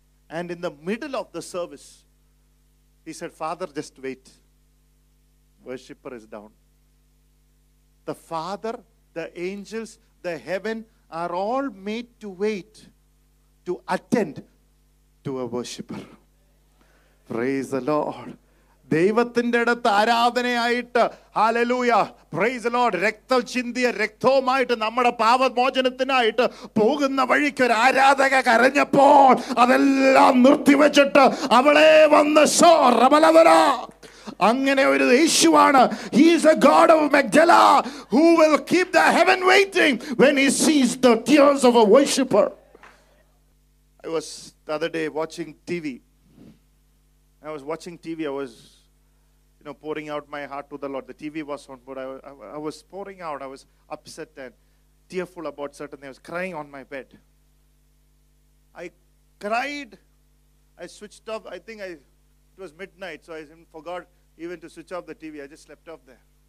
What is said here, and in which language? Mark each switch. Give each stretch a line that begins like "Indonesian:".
English: And in the middle of the service, He said, Father, just wait. Worshipper is down. The Father, the angels, the heaven are all made to wait, to attend to a worshipper. Praise the Lord.
Malayalam: ദൈവത്തിന്റെ അടുത്ത് ആരാധനയായിട്ട് hallelujah
English: praise lord
Malayalam: രക്തം ചിന്തിയ രക്തവുമായിട്ട് നമ്മുടെ പാപമോചനത്തിനായിട്ട് പോകുന്ന വഴിക്ക് ഒരു ആരാധക കരഞ്ഞപ്പോൾ അതെല്ലാം നിർത്തിവെച്ചിട്ട് അവളെ വന്ന് സോറമലവരാ അങ്ങനെ ഒരു യേശുവാണ്
English: He is a god of Magdala who will keep the heaven waiting when he sees the tears of a worshipper I was the other day watching TV I was watching TV. I was, you know, pouring out my heart to the Lord. The TV was on, but I was pouring out. I was upset and tearful about certain things. I was crying on my bed. I cried. I switched off. It was midnight, so I forgot even to switch off the TV. I just slept off there.